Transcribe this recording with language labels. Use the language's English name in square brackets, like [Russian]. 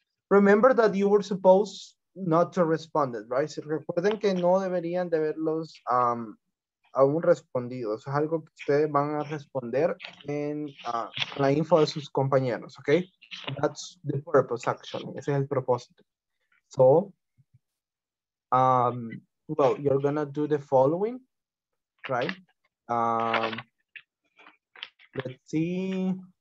[English] Remember that you were supposed not to respond it, right? [Spanish] Si recuerden que no deberían de verlos aún respondido. Eso es algo que ustedes van a responder en la info de sus compañeros, ¿ok? [English] That's the purpose, actually. [Spanish] Ese es el propósito. [English] So, well, you're gonna do the following, right? Let's see.